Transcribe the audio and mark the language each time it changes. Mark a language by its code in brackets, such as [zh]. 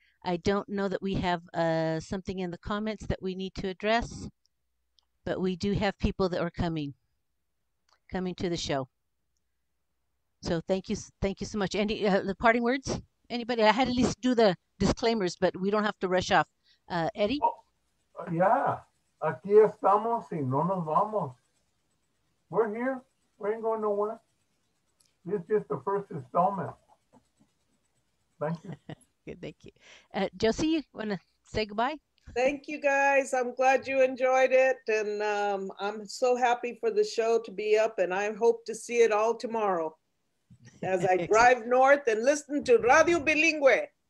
[en] I don't know that we have something in the comments that we need to address, but we do have people that are coming to the show. So thank you so much. Any the parting words? Anybody? I had at least do the disclaimers, but we don't have to rush off. Eddie? Oh, yeah. [es] Aquí estamos y no nos vamos. [en] We're here. We ain't going nowhere. This is just the first installment. Thank you. Good, thank you. Josie, you want to say goodbye? Thank you, guys. I'm glad you enjoyed it. And I'm so happy for the show to be up. And I hope to see it all tomorrow as I drive north and listen to Radio Bilingue.